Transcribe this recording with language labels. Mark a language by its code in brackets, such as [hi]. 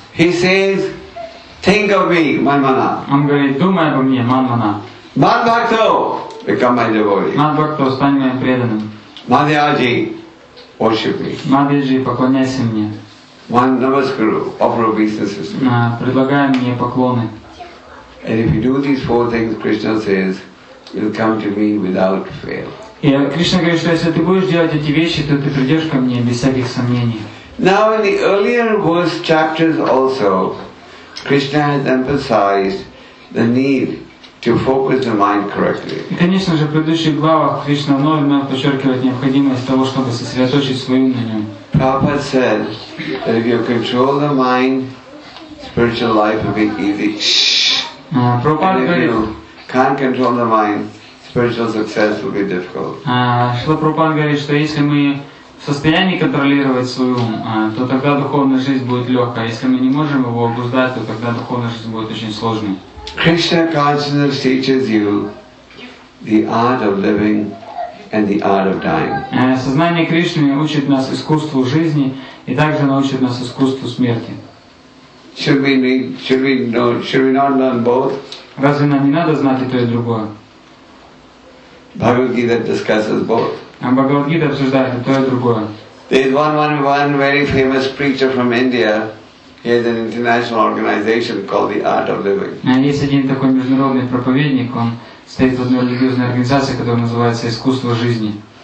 [en] He says, think of me, Manmana. [ru] Он говорит, думай обо мне, Манмана. [en] Манбхакто, become my devotee. [ru] Манбхакто, стань моим преданным. [en] Мадьяджи, worship me. [ru] Мадьяджи, поклоняйся мне. [en] Ман намаскару, offer obeisances with me. [ru] Предлагай мне поклоны. [en] And if you do these four things, Krishna says, you'll come to me without fail. [ru] И Кришна говорит, что если ты будешь делать эти вещи, то ты придешь ко мне без всяких сомнений. [en] Now in the earlier verse chapters also, Krishna has emphasized the need to focus the mind correctly. [ru] И, конечно же, в предыдущих главах Кришна вновь подчеркивает необходимость того, чтобы сосредоточить свою на нем. [en] Prabhupada said that if you control the mind, spiritual life will be easy. Prabhupada [ru] говорит, [en] if you can't control the mind, spiritual success will be difficult. [ru] Шрила Прабхупада говорит, что если мы в состоянии контролировать свой ум, то тогда духовная жизнь будет легкая. Если мы не можем его обуздать, то тогда духовная жизнь будет очень сложной. [en] Krishna consciousness teaches you the art of living and the art of dying. [ru] Сознание Кришны учит нас искусству жизни и также научит нас искусству смерти. [en] Should we not learn both? [ru] Разве нам не надо знать и то, и другое? [en] Bhagavad-gita discusses both. [ru] Bhagavad-gita обсуждает и то, и другое. [en] There is one very famous preacher from India. He has an international organization called the Art of Living. [ru] Есть один такой международный проповедник, он стоит в одной религиозной организации, которая называется «Искусство жизни».